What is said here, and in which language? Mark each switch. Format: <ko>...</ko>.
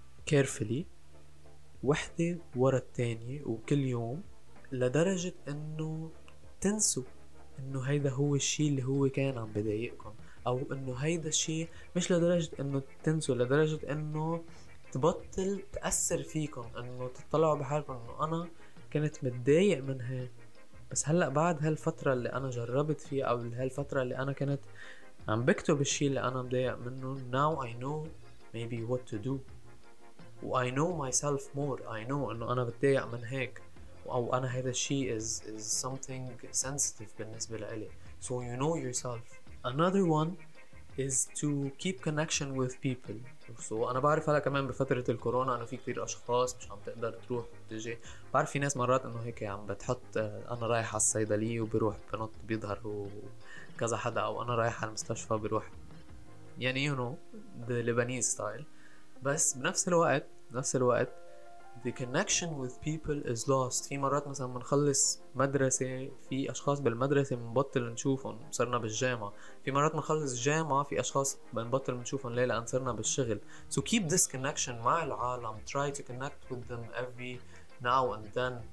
<en>carefully,</en> <ar>وحدة ورا التانية وكل يوم، لدرجة انه تنسوا انه هيدا هو الشيء اللي هو كان عم بضايقكم، او انه هيدا الشيء مش لدرجة انه تنسوا، لدرجة انه تبطل تأثر فيكم، انه تطلعوا بحالكم انه انا كنت متضايق من هي، بس هلأ بعد هالفترة اللي انا جربت فيها او هالفترة اللي انا كنت عم بكتب الشيء اللي أنا مضايق منه.</ar> <en>Now I know maybe what to do. I know myself more. I know</en> <ar>إنه أنا بتضايق من هيك أو أنا هذا الشيء</ar> <en>is something sensitive</en> <ar>بالنسبة لي.</ar> <en>So you know yourself. Another one is to keep connection with people.</en> <ar>So أنا بعرف هلا كمان بفترة الكورونا إنه في كتير أشخاص مش عم تقدر تروح وتجي. بعرف في ناس مرات إنه هيك عم بتحط أنا رايح على الصيدلية وبروح بنط بيظهر كذا حدا، او انا رايح على المستشفى بروح، يعني</ar> <en>you know the Lebanese style.</en> <ar>بس بنفس الوقت</ar> <en>the connection with people is lost.</en> <ar>في مرات مثلا منخلص مدرسة في اشخاص بالمدرسة منبطل نشوفهم، صرنا بالجامعة. في مرات منخلص الجامعة في اشخاص بنبطل نشوفهم ليلة ان صرنا بالشغل.</ar> <en>So keep this connection</en> <ar>مع العالم.</ar> <en>Try to connect with them every now and then.</en>